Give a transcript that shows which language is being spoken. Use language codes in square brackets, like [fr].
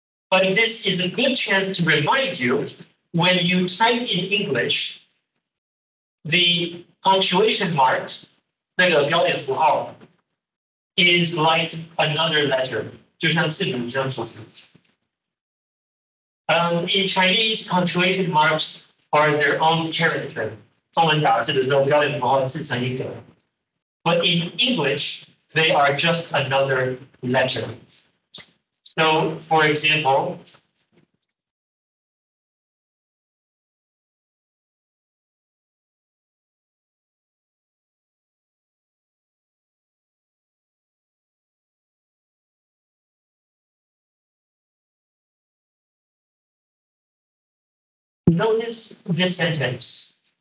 [en] But this is a good chance to remind you, when you type in English, the punctuation mark, [zh] 那个标点符号, [en] is like another letter, [zh] 就像字母一样组成。 [en] In Chinese, punctuation marks are their own character. [zh] 中文打字的时候，标点符号自成一格。 [en] But in English, they are just another letter. So, for example, notice this sentence.